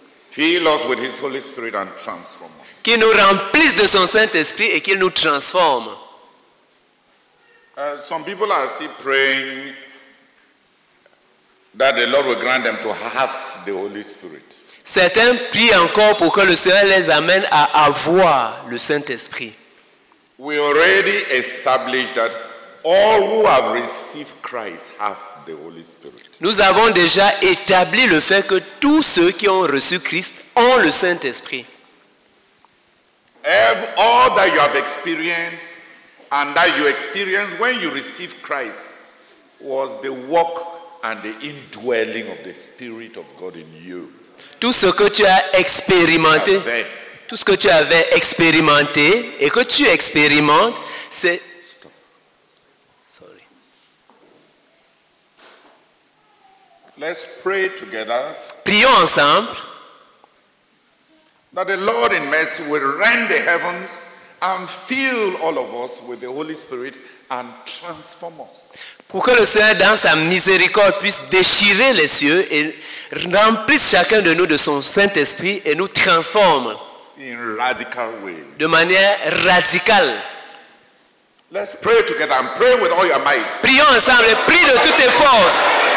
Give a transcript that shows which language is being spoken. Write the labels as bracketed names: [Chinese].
[English] Fill us with his Holy Spirit and transform us. [French] Qu'il nous remplisse de son Saint-Esprit et qu'il nous transforme. [English] Some people are still praying that the Lord will grant them to have the Holy Spirit. [French] Certains prient encore pour que le Seigneur les amène à avoir le Saint-Esprit. [English] We already established that All who have received Christ have the Holy Spirit. [French] Nous avons déjà établi le fait que tous ceux qui ont reçu Christ ont le Saint-Esprit. [English] All that you have experienced and that you experienced when you received Christ was the work and the indwelling of the Spirit of God in you. [French] Tout ce que tu as expérimenté, tout ce que tu avais expérimenté et que tu expérimentes, c'est... [English] Stop. Sorry. Let's pray together. [French] Prions ensemble. [English] That the Lord in mercy will rend the heavens and fill all of us with the Holy Spirit and transform us. [French] Pour que le Seigneur dans sa miséricorde puisse déchirer les cieux et remplisse chacun de nous de son Saint-Esprit et nous transforme. [English] In radical ways. [French] De manière radicale. [English] Let's pray together and pray with all your might. [French] Prions ensemble et prie de toutes tes forces.